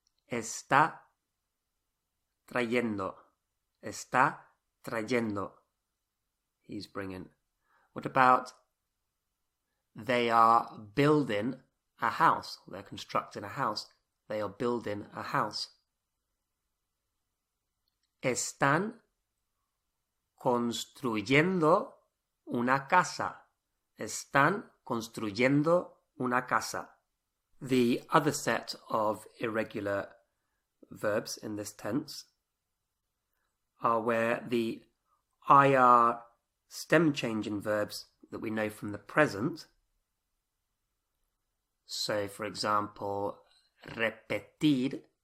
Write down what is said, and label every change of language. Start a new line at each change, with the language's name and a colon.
Spanish: Está trayendo. Está trayendo.
English: He's bringing. What about they are building a house? They're constructing a house. They are building a house.
Spanish: Están construyendo una casa. Están construyendo una casa.
English: The other set of irregular verbs in this tense are where the IR stem changing verbs that we know from the present. So, for example, repetir.